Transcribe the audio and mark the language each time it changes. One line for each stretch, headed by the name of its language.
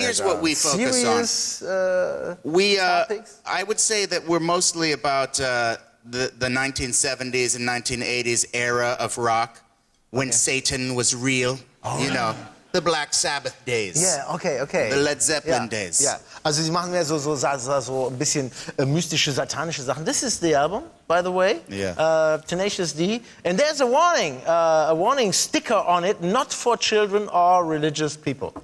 English: Here's what we focus serious, on. We topics? I would say that we're mostly about the 1970s and 1980s era of rock when Satan was real, the Black Sabbath days. Yeah, okay. The Led Zeppelin days. Yeah.
German: Also, sie machen mehr so ein bisschen mystische, satanische Sachen.
English: This is the album, by the way. Yeah. Tenacious D. And there's a warning sticker on it, not for children or religious people.